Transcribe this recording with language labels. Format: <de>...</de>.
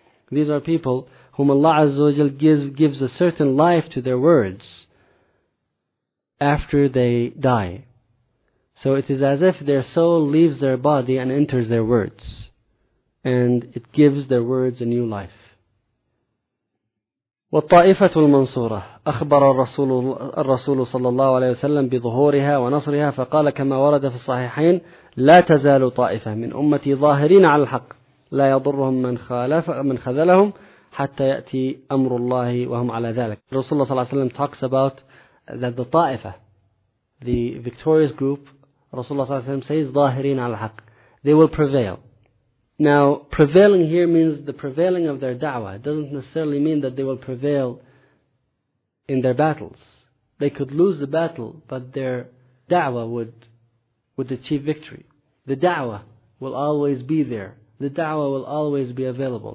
<en>These are people whom Allah Azza wa Jal gives a certain life to their words after they die. So it is as if their soul leaves their body and enters their words. And it gives their words a new life.</en> <ar>وَالطَّائِفَةُ الْمَنْصُورَةُ أَخْبَرَ الرَّسُولُ صَلَّى اللَّهُ عَلَيْهِ وَسَلَّمْ بِظُهُورِهَا وَنَصْرِهَا فَقَالَ كَمَا وَرَدَ فِي الصَّحِيحَيْنِ لَا تَزَالُ طَائِفَةً مِنْ أُمَّتِي ظَاهِرِينَ عَلَى الْحَقِّ لا يضرهم من خالف من خذلهم حتى يأتي أمر الله وهم على ذلك.</ar> <en>رسول الله صلى الله عليه وسلم talks about that the ta'ifa, the victorious group, رسول الله صلى الله عليه وسلم says</en> <ar>ظاهرين على الحق,</ar> <en>they will prevail. Now prevailing here means the prevailing of their da'wah. It doesn't necessarily mean that they will prevail in their battles. They could lose the battle, but their da'wah would achieve victory. The da'wah will always be there. The da'wah will always be available.</en>